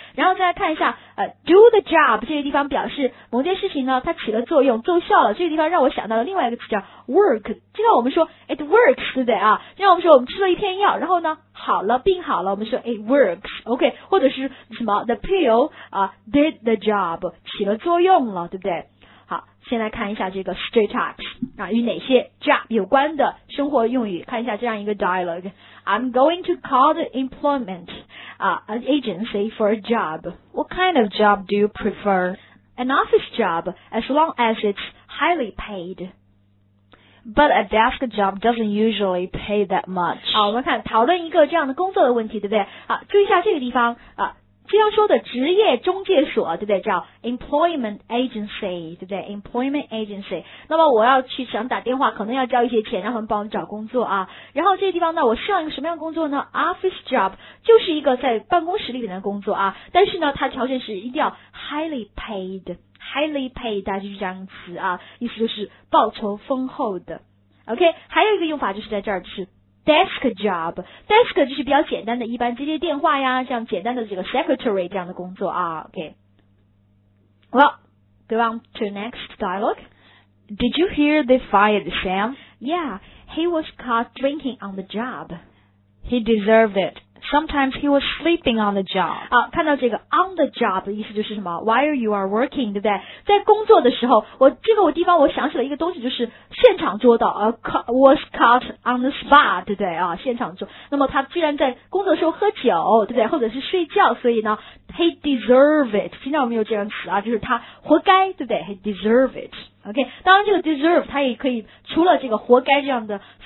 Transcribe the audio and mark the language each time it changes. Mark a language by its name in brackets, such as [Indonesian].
[Chinese] 然后再来看一下do the job 这个地方表示某件事情呢它起了作用奏效了这个地方让我想到了另外一个词叫 work 就像我们说 [English] it works [Chinese] 对不对啊就像我们说我们吃了一片药然后呢好了病好了我们说 it works OK 或者是什么 [English] the pill、 did the job [Chinese] 起了作用了对不对好先来看一下这个 straight up 啊与哪些 job 有关的生活用语看一下这样一个 dialogue [English] I'm going to call the employment、agency for a job What kind of job do you prefer? An office job as long as it's highly paid But a desk job doesn't usually pay that much [Chinese] 好我们看讨论一个这样的工作的问题对不对好注意一下这个地方啊经常说的职业中介所对不对叫 employment agency 对不对 employment agency 那么我要去想打电话可能要交一些钱让他们帮我找工作啊然后这个地方呢我上一个什么样的工作呢 office job 就是一个在办公室里面的工作啊但是呢它条件是一定要 [English] highly paid [Chinese] highly paid 大家就是这样词啊意思就是报酬丰厚的 OK 还有一个用法就是在这儿是desk job desk 就是比较简单的一般接接电话呀像简单的这个 secretary 这样的工作啊 OK [English] Well go on to next dialogue Did you hear they fired Sam? Yeah he was caught drinking on the job He deserved it Sometimes he was sleeping on the job [Chinese] 啊，看到这个 on the job 的意思就是什么 [English] while you are working [Chinese] 对不对在工作的时候我这个我地方我想起了一个东西就是现场捉到、 [English] was caught on the spot [Chinese] 对不对啊，现场捉那么他居然在工作的时候喝酒对不对或者是睡觉所以呢 [English] he deserve it [Chinese] 经常我们有这样词啊就是他活该对不对 he deserve it OK 当然这个 deserve 他也可以除了这个活该这样的